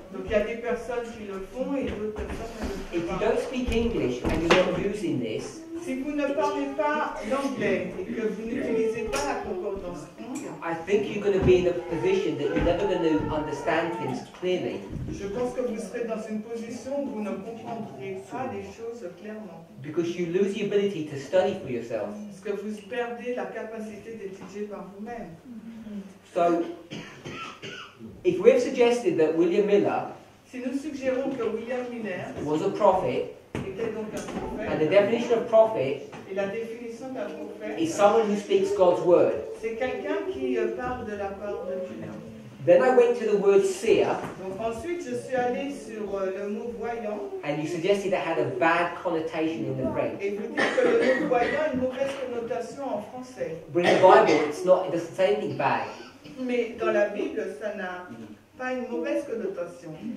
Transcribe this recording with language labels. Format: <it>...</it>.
<fr>Donc il y a des personnes qui le font et d'autres personnes ne le font pas.</fr> <en>If you don't speak English and you're not using this,</en> <fr>si vous ne parlez pas l'anglais et que vous n'utilisez pas la concordance Clonion,</fr> <en>I think you're going to be in a position that you're never going to understand things clearly.</en> <fr>Je pense que vous serez dans une position où vous ne comprendrez pas les choses clairement.</fr> <en>Because you lose the ability to study for yourself.</en> <fr>Parce que vous perdez la capacité d'étudier par vous-même.</fr> <en>So, if we've suggested that William Miller,</en> <fr>si nous suggérons que William Miller</fr> <en>was a prophet,</en> <fr>était donc un prophète,</fr> <en>and the definition of prophet,</en> <fr>et la définition d'un prophète,</fr> <en>is someone who speaks God's word.</en> <fr>C'est quelqu'un qui parle de la parole de Dieu.</fr> <en>Then I went to the word seer.</en> <fr>Donc ensuite, je suis allé sur le mot voyant.</fr> <en>And you suggested it had a bad connotation in the French.</en> <fr>Et vous dites que le mot voyant a une mauvaise connotation en français.</fr> <en>But in the Bible, it doesn't say anything bad.</en> <fr>Mais dans la Bible, ça n'a pas une mauvaise connotation.</fr>